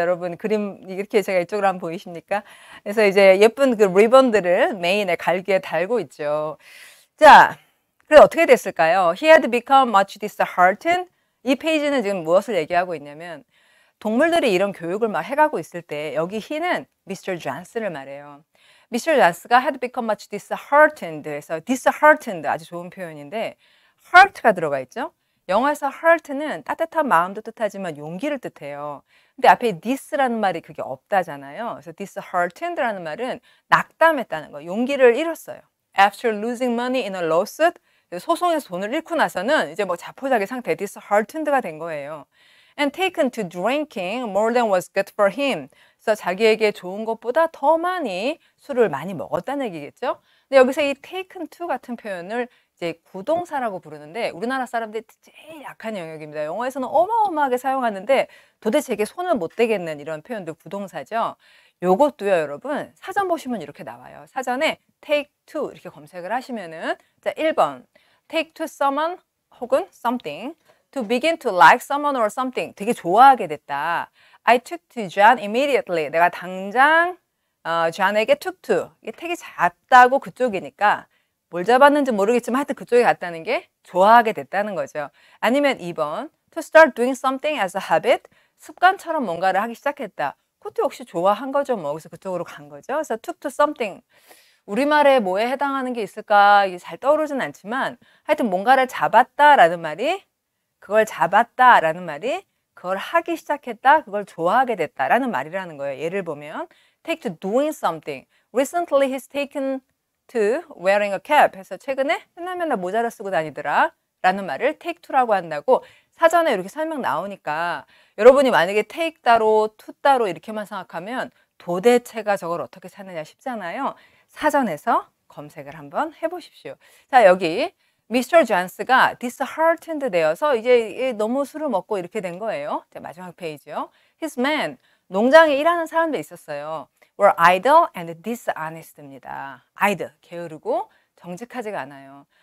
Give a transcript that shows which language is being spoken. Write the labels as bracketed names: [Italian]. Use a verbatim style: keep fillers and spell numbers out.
[Korean] 여러분 그림 이렇게 제가 이쪽으로 한번 보이십니까? 그래서 이제 예쁜 그 리본들을 메인에 갈기에 달고 있죠. 자. 그래서 어떻게 됐을까요? [English] He had become much disheartened. [Korean] 이 페이지는 지금 무엇을 얘기하고 있냐면 동물들이 이런 교육을 막 해가고 있을 때 여기 he는 미스터 Johnson을 말해요. 미스터 Johnson가 [English] had become much disheartened. [Korean] 그래서 disheartened 아주 좋은 표현인데 heart가 들어가 있죠. 영어에서 heart는 따뜻한 마음도 뜻하지만 용기를 뜻해요. 근데 앞에 dis라는 말이 그게 없다잖아요. 그래서 disheartened라는 말은 낙담했다는 거, 용기를 잃었어요. [English] After losing money in a lawsuit [Korean] 소송에서 돈을 잃고 나서는 이제 뭐 자포자기 상태 disheartened가 된 거예요. [English] And taken to drinking more than was good for him. [Korean] 그래서 자기에게 좋은 것보다 더 많이 술을 많이 먹었다는 얘기겠죠. 근데 여기서 이 taken to 같은 표현을 이제 구동사라고 부르는데 우리나라 사람들이 제일 약한 영역입니다. 영어에서는 어마어마하게 사용하는데 도대체 이게 손을 못 대겠는 이런 표현도 구동사죠. 요것도요, 여러분. 사전 보시면 이렇게 나와요. 사전에 take to 이렇게 검색을 하시면은 자, 일 번. [English] take to someone 혹은 something to begin to like someone or something [Korean] 되게 좋아하게 됐다. [English] I took to John immediately. [Korean] 내가 당장 어, 존에게 툭툭 이게 택이 작다고 그쪽이니까 뭘 잡았는지 모르겠지만 하여튼 그쪽에 갔다는 게 좋아하게 됐다는 거죠. [English] 아니면 이 번 to start doing something as a habit, [Korean] 습관처럼 뭔가를 하기 시작했다. 그것도 역시 좋아한 거죠. 뭐 그래서 그쪽으로 간 거죠. 그래서 took to something, 우리말에 뭐에 해당하는 게 있을까 이게 잘 떠오르진 않지만 하여튼 뭔가를 잡았다라는 말이 그걸 잡았다라는 말이 그걸 하기 시작했다, 그걸 좋아하게 됐다라는 말이라는 거예요. 예를 보면 [English] take to doing something. Recently he's taken to wearing a cap. [Korean] 해서 최근에 맨날 맨날 모자를 쓰고 다니더라 라는 말을 take to라고 한다고 사전에 이렇게 설명 나오니까 여러분이 만약에 take 따로 to 따로 이렇게만 생각하면 도대체가 저걸 어떻게 찾느냐 싶잖아요. 사전에서 검색을 한번 해보십시오. 자, 여기 미스터 존스가 disheartened 되어서 이제 너무 술을 먹고 이렇게 된 거예요. 이제 마지막 페이지요. [English] His men, [Korean] 농장에 일하는 사람도 있었어요. [English] were idle and dishonest입니다. [Korean] idle, 게으르고 정직하지가 않아요.